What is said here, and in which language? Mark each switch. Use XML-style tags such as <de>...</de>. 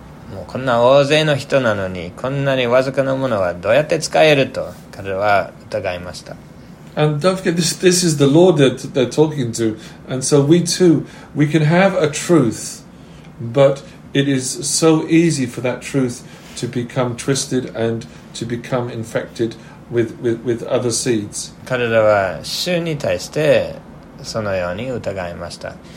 <ja>もうこんな大勢の人なのに、こんなにわずかなものはどうやって使えると彼は疑いました。</ja> <en>And don't forget, this is the Lord that they're talking to. And so we too, we can have a truth, but it is so easy for that truth to become twisted and to become infected with other seeds.</en> <ja>彼らは主に対してそのように疑いました。</ja>